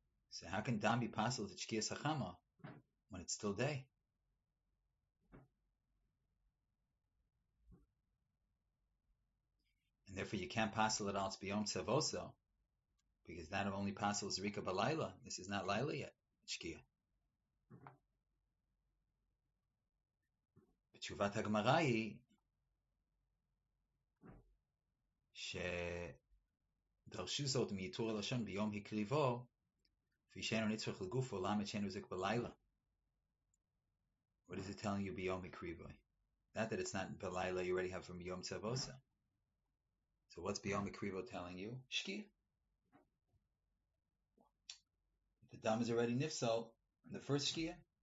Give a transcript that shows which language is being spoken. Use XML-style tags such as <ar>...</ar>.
<en>So how can dam be possible to shkiyas hachama when it's still day? And therefore you can't possible it all to biyom tzavoso, because that only possible zrika balayla. This is not layla yet, shkiyah.</en> <he>B'tshuvat ha-gemarayi, שדרשו זאת מייתור הלשון ביום הקריבו, וישנו נצרך לגוף עולם את שנו זק בלילה.</he> <en>What is it telling you, ביום הקריבו? Not that it's not בלילה, you already have from יום צבוסה. So what's ביום הקריבו telling you? שקיע. The dam is already nifsal, the first שקיע.</en>